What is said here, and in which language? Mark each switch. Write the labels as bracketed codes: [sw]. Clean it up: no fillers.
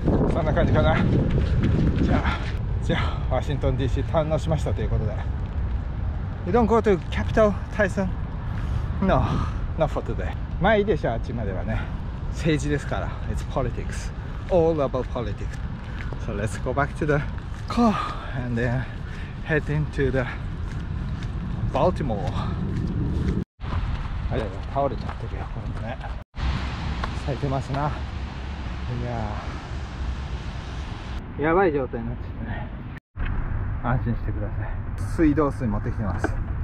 [ja] そんな感じかな。じゃあワシントン DC 堪能しましたということで。 [en] You don't go to capital, Tyson? No, not for today。 [ja] まあいいでしょ、あっちまではね。政治ですから。 [en] It's politics。 All about politics. So let's go back to the car and then head into the Baltimore. [ja] あれ倒れちゃってるよ、これもね。咲いてますな。いや、やばい状態になっちゃってね。安心してください。水道水持ってきてます。